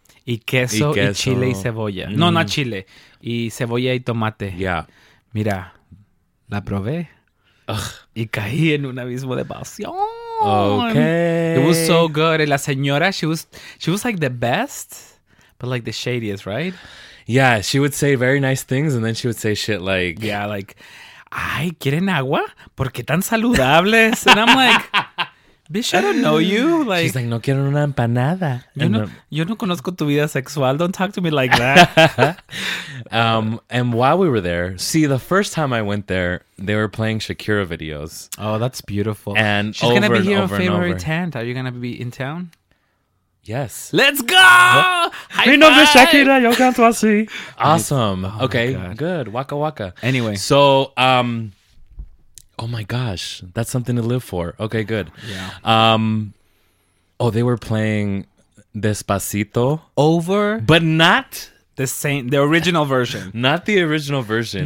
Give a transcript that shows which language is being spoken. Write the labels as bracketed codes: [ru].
[es] Y queso y chile y cebolla. Mm. [en] No, not [es] chile. Y cebolla y tomate. [en] Yeah. [es] Mira, la probé. Ugh. Y caí en un abismo de pasión. [en] Okay. It was so good. [es] Y la señora, [en] she was like the best, but like the shadiest, right? Yeah, she would say very nice things and then she would say shit like... Yeah, like, [es] ay, ¿quieren agua? ¿Por qué tan saludables? [en] And I'm like... Bitch, I don't know you. Like, she's like, [es] no quiero una empanada. Yo no conozco tu vida sexual. [en] Don't talk to me like that. And while we were there, see, the first time I went there, they were playing Shakira videos. Oh, that's beautiful. And she's going to be here on February 10th. Are you going to be in town? Yes. Let's go! [es] Mi nombre es Shakira, yo canto así. [en] Awesome. Oh, okay, good. Waka waka. Anyway. So, oh my gosh, that's something to live for. Okay, good. Yeah. Oh, they were playing Despacito. Over. But not the same, the original version. Not the original version.